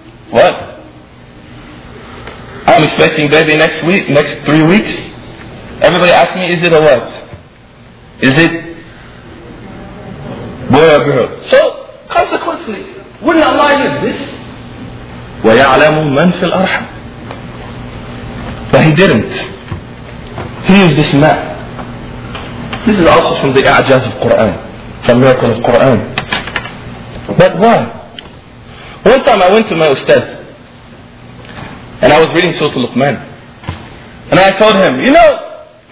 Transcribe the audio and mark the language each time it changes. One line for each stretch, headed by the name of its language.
English: What? I'm expecting baby next week, next 3 weeks. Everybody ask me, is it a what? Is it boy or girl? So, consequently, wouldn't Allah use this?
Arabic: وَيَعْلَمُ مَنْ فِي الْأَرْحَمِ
English: But He didn't. He used this ma. This is also from the I'jaz of Quran. From the miracle of Quran. But why? One time I went to my ustad. And I was reading Surah Luqman. And I told him, you know,